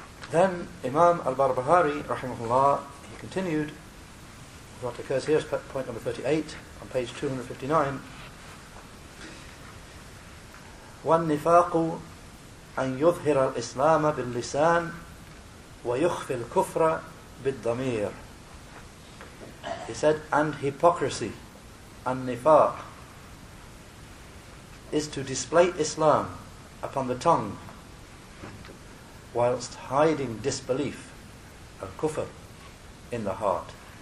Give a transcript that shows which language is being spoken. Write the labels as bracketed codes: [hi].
[en] Then Imam al-Barbahari, rahimahullah, he continued what occurs here is point number 38 on page 259. [ar] والنفاق أن يظهر الإسلام باللسان ويخفي الكفر بالضمير. [en] He said, and hypocrisy, and nifaq, is to display Islam upon the tongue whilst hiding disbelief, al kufr, in the heart.